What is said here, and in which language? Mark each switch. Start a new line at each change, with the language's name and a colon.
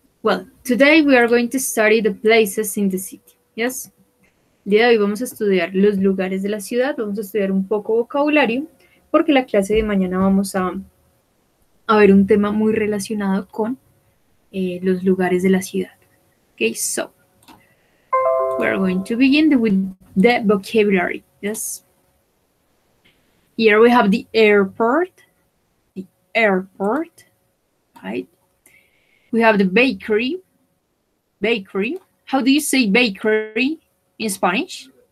English: Well, today we are going to study the places in the city. Yes.
Spanish: El día de hoy vamos a estudiar los lugares de la ciudad. Vamos a estudiar un poco vocabulario porque la clase de mañana vamos a ver un tema muy relacionado con los lugares de la ciudad.
English: Okay, so we're going to begin with the vocabulary. Yes. Here we have the airport, right? We have the bakery. Bakery. How do you say bakery in Spanish?